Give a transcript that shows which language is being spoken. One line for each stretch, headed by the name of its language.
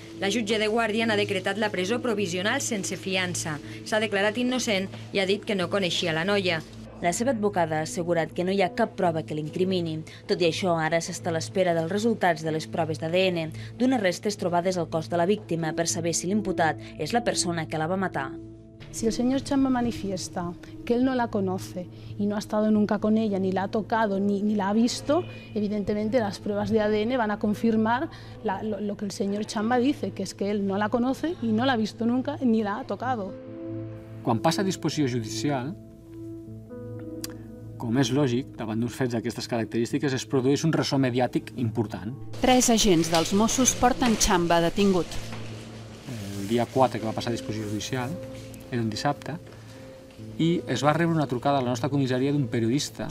Catalan: La jutge de guàrdia n'ha decretat la presó provisional sense fiança. S'ha declarat innocent i ha dit que no coneixia la noia. La seva advocada ha assegurat que no hi ha cap prova que l'incrimini. Tot i això, ara s'està a l'espera dels resultats de les proves d'ADN, d'unes restes trobades al cos de la víctima, per saber si l'imputat és la persona que la va matar.
Spanish: Si el senyor Xamba manifiesta que él no la conoce y no ha estado nunca con ella, ni la ha tocado, ni la ha visto, evidentemente las pruebas de ADN van a confirmar lo que el señor Xamba dice, que es que él no la conoce y no la ha visto nunca ni la ha tocado.
Catalan: Quan passa a disposició judicial, Com és lògic, davant d'uns fets d'aquestes característiques, es produeix un ressò mediàtic important. Tres agents dels Mossos porten Xamba detingut. El dia 4 que va passar a disposició judicial, era un dissabte, i es va rebre una trucada a la nostra comissaria d'un periodista...